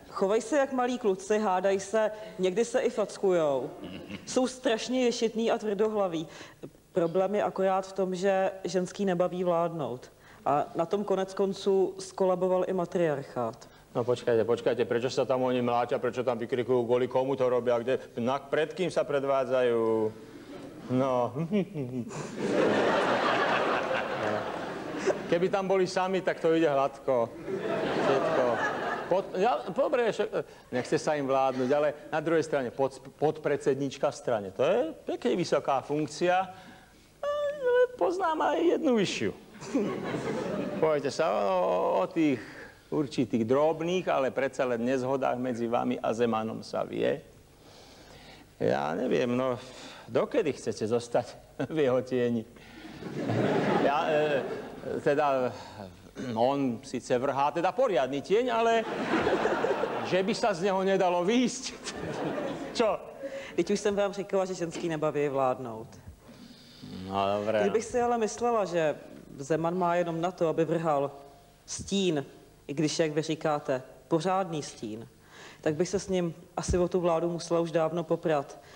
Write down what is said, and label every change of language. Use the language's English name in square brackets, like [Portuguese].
[Czech] Chovají se jak malí kluci, hádají se, někdy se i fackujou. Jsou strašně ješitní a tvrdohlaví. Problém je akorát v tom, že ženský nebaví vládnout. A na tom konec konců skolaboval i matriarchát. [Slovak] No počkajte, prečo sa tam oni mláťa, prečo tam vykrikujú, kvôli komu to robia, kde, pred kým sa predvádzajú? No. Keby tam boli sami, tak to ide hladko. Všetko. Dobre, nechce sa im vládnuť, ale na druhej strane podpredsednička v strane. To je pekne vysoká funkcia. Poznám aj jednu vyššiu. Povedzte sa o tých určitých drobných, ale predsa len nezhodách medzi vami a Zemanom sa vie. Ja neviem, no dokedy chcete zostať v jeho tieni? Ja, teda, on síce vrhá teda poriadny tieň, ale že by sa z neho nedalo vyjsť. Čo? [Czech] Veď už som vám řekla, že ženský nebaví vládnout. [Slovak] No dobré. [Czech] Kdybych si ale myslela, že Zeman má jenom na to, aby vrhal stín, i když, jak vy říkáte, pořádný stín, tak bych se s ním asi o tu vládu musela už dávno poprat.